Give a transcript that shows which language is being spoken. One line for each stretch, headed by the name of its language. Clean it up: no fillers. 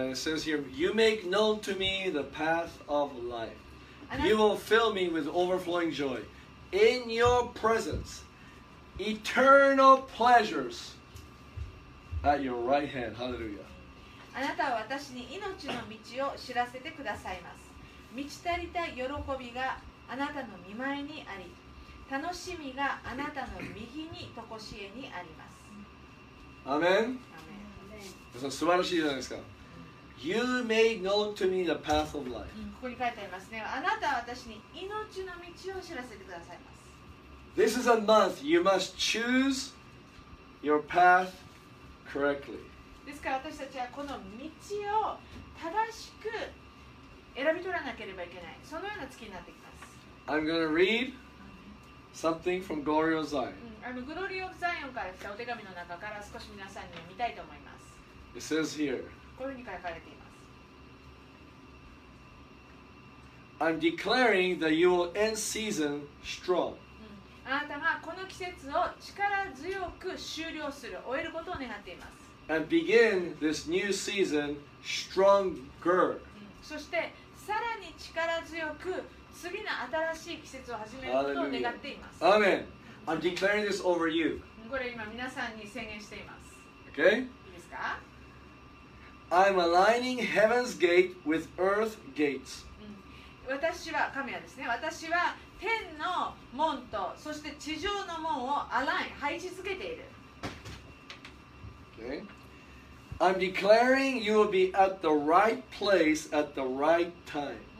English: It says here, You make known to me the path of life. You will fill me with overflowing joy. In your presence, eternal pleasures at your right hand. Hallelujah.
Japanese: あなたは私に命の道を知らせてくださいます。満ち足りた喜びがあなたの御前にあり、楽しみがあなたの右に常しえにあります。アメン。素晴らしいじゃないですか。
English: You made known to me the path of life.
Japanese: ここに書いてありますね。あなたは私に命の道を知らせてくださいます。
English: This is a month you must choose your path correctly.
Japanese: ですから私たちはこの道を正しく選び取らなければいけない。そのような月になってきます。
English: I'm gonna read something from Gloria Zion.
Japanese: グロリオ・ザイオンから来たお手紙の中から少し皆さんに見たいと思います。
English: It says here,
Japanese: こういうふうに書かれています。
English: I'm declaring that you will end season strong.、
Japanese: あなたがこの季節を力強く終了する、終えることを願っています。
English: And begin this new season stronger.、
Japanese: そしてさらに力強く次の新しい季節を始めることを願っています。
English: アーメン。I'm declaring this over you.
Japanese: これ今皆さんに宣言しています。
English: Okay?
Japanese: いいですか?
English: I'm aligning heaven's gate with earth gates.
Japanese: 私は、神はですね、私は天の門と、そして地上の門をアライン、配置づけている。
English: Okay? I'm declaring you will be at the right place at the right time.